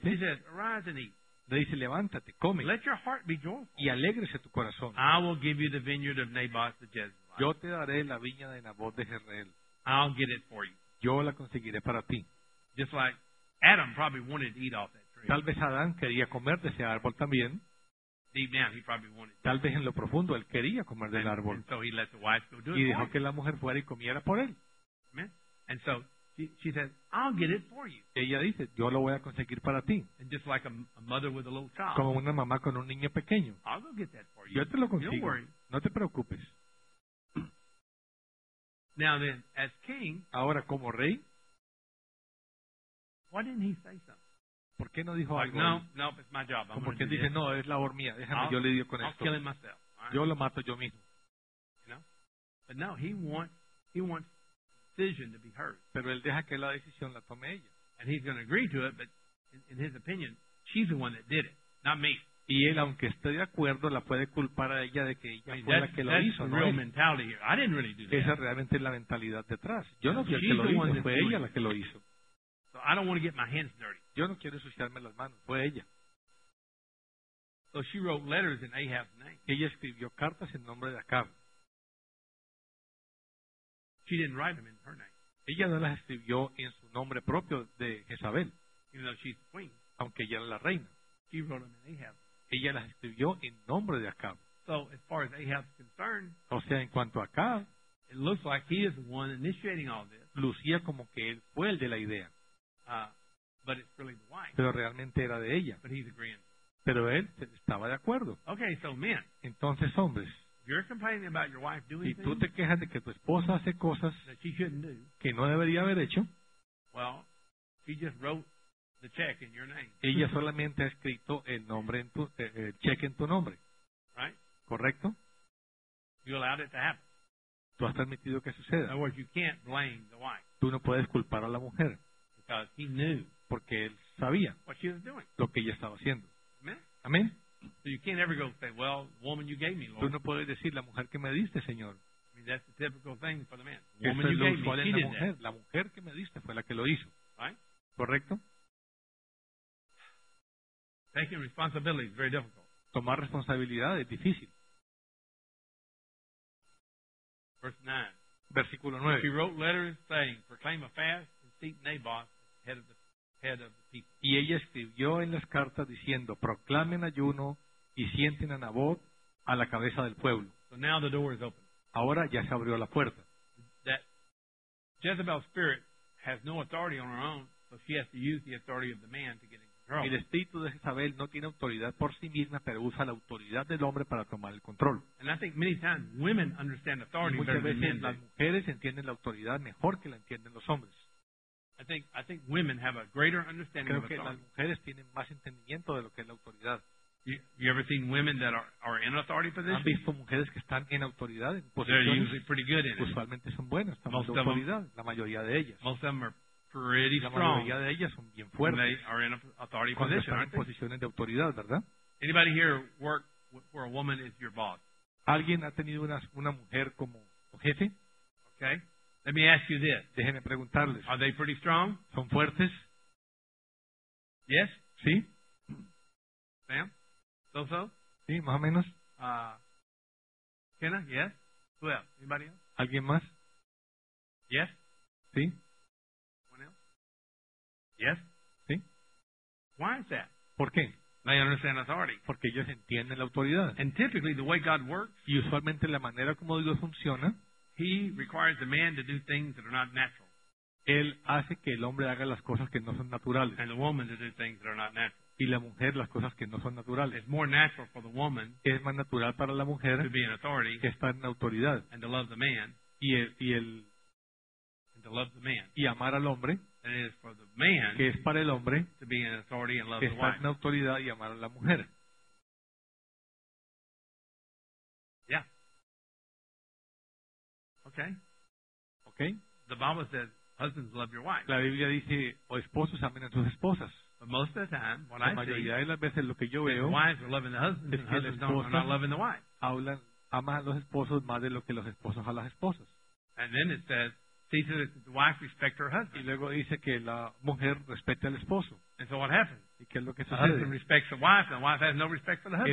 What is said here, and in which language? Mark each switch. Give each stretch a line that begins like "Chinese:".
English: he says, arise and eat.
Spanish: Le dice, levántate, come.
English: Let your heart be joyful.
Spanish: Y alégrese tu corazón.
English: I will give you the vineyard of Naboth the Jezreel.
Spanish: Yo te daré la viña de Naboth de Jezreel.
English: I'll get it for you.
Spanish: Yo la conseguiré para ti.
English: Just like Adam probably wanted to eat off that tree.
Spanish: Tal vez Adán quería comer de ese árbol también.
English: Deep down, he probably wanted to.
Spanish: Tal vez en lo profundo él quería comer del árbol.
English: And so he let the wife go do it.
Spanish: Y dejó que la mujer fuera y comiera por él.
English: Amen. And so She said, "I'll get it for you."
Spanish: Ella dice, "Yo lo voy a conseguir para ti."
English: And just like a mother with a little child.
Spanish: Como una mamá con un niño pequeño.
English: "I'll go get that for you.
Spanish: Yo te lo consigo.
English: Don't worry.
Spanish: No te preocupes."
English: Now then, as king,
Spanish: ahora como rey,
English: why didn't he say something?
Spanish: ¿Por qué no dijo
English: like,
Spanish: algo?
English: No, no, it's my job. I'm
Spanish: como que dice,
English: this.
Spanish: No, es labor mía. Déjame,
English: I'll,
Spanish: yo le digo con
English: I'll
Spanish: esto.
English: Kill him myself. Right.
Spanish: Yo lo mato yo mismo.
English: But no, he wants decision to be heard.
Spanish: Pero él deja que la decisión la tome ella.
English: And he's going to agree to it, but in his opinion, she's the one that did it, not me.
Spanish: Y él, aunque esté de acuerdo, la puede culpar a ella de que ella fue la que lo hizo, ¿no?
English: Real mentality here. I didn't really do that.
Spanish: Esa realmente es la mentalidad detrás. Yo no fui el que lo hizo, fue ella la que lo hizo.
English: So I don't want to get my hands dirty.
Spanish: Yo no quiero ensuciarme las manos, fue ella.
English: So she wrote letters in Ahab's name.
Spanish: Ella escribió cartas en nombre de Acab.
English: She didn't write them in her name.
Spanish: Ella no las escribió en su nombre propio de Jezabel.
English: Even though she's the queen.
Spanish: Aunque ella era la reina.
English: She wrote them in Ahab.
Spanish: Ella las escribió en nombre de Acab.
English: So, as far as Ahab's concerned,
Spanish: o sea, en cuanto a Acab,
English: it looks like he is the one initiating all this.
Spanish: Lucía como que él fue el de la idea.
English: But it's really the wife.
Spanish: Pero realmente era de ella.
English: But he's agreeing.
Spanish: Pero él estaba de acuerdo.
English: Okay, so men.
Spanish: Entonces, hombres.
English: You're complaining about your wife doing
Spanish: si tú te quejas de que tu esposa hace cosas
English: that she shouldn't do,
Spanish: que no debería haber hecho,
English: well, she just wrote the check in your name.
Spanish: Ella solamente ha escrito el nombre en tu el cheque en tu nombre.
English: Right?
Spanish: ¿Correcto?
English: You allowed it to happen.
Spanish: Tú has permitido que suceda.
English: In other words, you can't blame the wife.
Spanish: Tú no puedes culpar a la mujer.
English: Because he knew.
Spanish: Porque él sabía
English: what she was doing.
Spanish: Lo que ella estaba haciendo.
English: Amen.
Spanish: Amén.
English: So you can't ever go say, "Well, the woman you gave me, Lord."
Spanish: Tú no puedes decir la mujer que me diste, Señor.
English: I mean, that's the typical thing for the man. Woman you gave me, she did that.
Spanish: La mujer que me diste fue la que lo hizo.
English: Right?
Spanish: Correcto.
English: Taking responsibility is very difficult.
Spanish: Tomar responsabilidad es difícil.
English: Verse 9.
Spanish: Versículo 9.
English: She wrote letters saying, "Proclaim a fast and seek Naboth, head of the people."
Spanish: Y ella escribió en las cartas diciendo, "Proclamen ayuno y sienten a Naboth a la cabeza del pueblo."
English: So now the door is open.
Spanish: Ahora ya se abrió la puerta.
English: That Jezebel's spirit has no authority on her own, so she has to use the authority of the man to get in control.
Spanish: El espíritu de Jezabel no tiene autoridad por sí misma, pero usa la autoridad del hombre para tomar el control.
English: And I think many times women understand authority better than men.
Spanish: Muchas veces las mujeres entienden la autoridad mejor que la entienden los hombres.
English: I think women have a greater understanding
Spanish: creo
English: of authority.
Spanish: Creo que las mujeres tienen más entendimiento de lo que es la autoridad.
English: You ever seen women that are in authority positions?
Spanish: ¿Has visto mujeres que están en autoridad en posiciones?
English: Pretty good in
Spanish: usualmente
English: it.
Spanish: Son buenas, están en autoridad, la mayoría de ellas.
English: Most of them are pretty
Spanish: la
English: strong.
Spanish: La mayoría de ellas son bien fuertes.
English: They are in authority
Spanish: cuando
English: position,
Spanish: están en posiciones de autoridad, ¿verdad?
English: Anybody here work where a woman is your boss?
Spanish: ¿Alguien ha tenido una mujer como jefe?
English: Okay. Let me ask you this.
Spanish: Déjenme preguntarles.
English: Are they pretty strong?
Spanish: ¿Son fuertes?
English: Yes.
Spanish: Sí.
English: Sam? So-so?
Spanish: Sí, más o menos.
English: Kenna? Yes. Who else? Anybody else?
Spanish: ¿Alguien más?
English: Yes.
Spanish: Sí.
English: One else? Yes.
Spanish: Sí.
English: Why is that?
Spanish: ¿Por qué?
English: They understand authority.
Spanish: Porque ellos entienden la autoridad.
English: And typically the way God works.
Spanish: Y usualmente la manera como Dios funciona.
English: He requires the man to do things that are not natural.
Spanish: Él hace que el hombre haga las cosas que no son naturales.
English: And the woman to do things that are not natural.
Spanish: Y la mujer las cosas que no son naturales.
English: It's more natural for the woman.
Spanish: Es más natural para la mujer.
English: To be in authority.
Spanish: Que estar en autoridad.
English: And to love the man. And to love the man.
Spanish: Y amar al hombre.
English: And it is for the man.
Spanish: Que es para el hombre.
English: To be in authority and love the wife.
Spanish: Estar en autoridad y amar a la mujer.
English: Okay. The Bible says, "Husbands love your wife."
Spanish: La Biblia dice, "O esposos amen a sus esposas."
English: But most of the time, what I see,
Spanish: la mayoría de las veces lo que yo veo,
English: wives are loving the husbands,
Spanish: es que
English: and husbands don't, are not loving the wife.
Spanish: Hablan, aman a los esposos más de lo que los esposos a las esposas.
English: And then it says, "See to it that the wife respect her husband."
Spanish: Y luego dice que la mujer respete al esposo.
English: And so what happens?
Spanish: ¿Y qué es lo que sucede?
English: The husband respects the wife, and the wife has no respect for the husband.